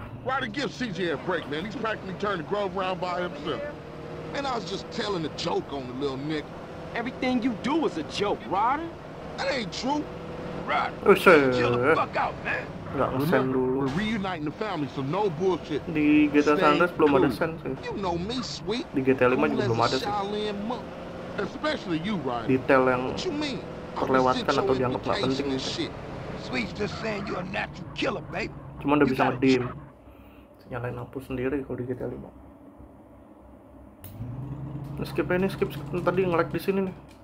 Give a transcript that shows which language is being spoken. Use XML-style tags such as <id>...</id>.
<en>Ryder, give CJ a break, man. He's practically turned the Grove around by himself. And I was just telling a joke on the little Nick. Everything you do is a joke, Ryder. That ain't true. Ryder, chill the fuck out, man. We're reuniting the family, so no bullshit.</en> <id>Di GTA San Andreas belum ada sen sih.</id> <en>You know me, sweet.</en> <id>Di GTA 5 juga belum ada sih.</id> <en>Especially you, Ryder.</en> <id>Detail yang terlewatkan atau dianggap nggak penting.</id> <en>Sweet's just saying you're a natural killer, babe.</en> <id>Cuma udah bisa ngedim. Nyalain lampu sendiri kalau di GTA 5. Skip ini, skip ntar di nge-lag di sini nih.</id>